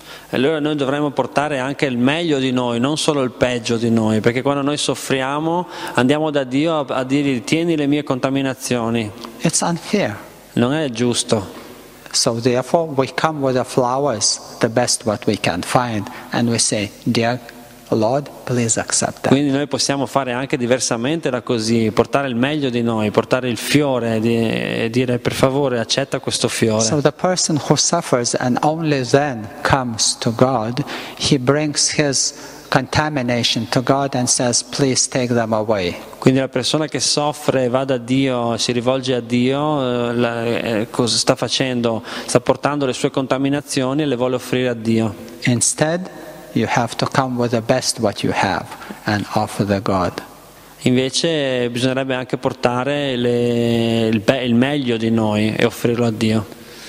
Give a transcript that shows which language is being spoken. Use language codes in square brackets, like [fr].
[it] Allora noi dovremmo portare anche il meglio di noi, non solo il peggio di noi, perché quando noi soffriamo andiamo da Dio a dirgli, tieni le mie contaminazioni. [en] It's unfair. [it] Non è giusto. [en] So therefore we come with the flowers, the best what we can find, and we say, dear Lord, please accept that. [it] Quindi noi possiamo fare anche diversamente da così, portare il meglio di noi, portare il fiore e dire per favore accetta questo fiore. [en] So the person who suffers and only then comes to God, he brings his contamination to God and says, please take them away. [it] Quindi la persona che soffre va da Dio, si rivolge a Dio, cosa sta facendo? Sta portando le sue contaminazioni e le vuole offrire a Dio. [en] Instead, you have to come with the best what you have and offer the God. [it] Invece bisognerebbe anche portare il meglio di noi e offrirlo a Dio.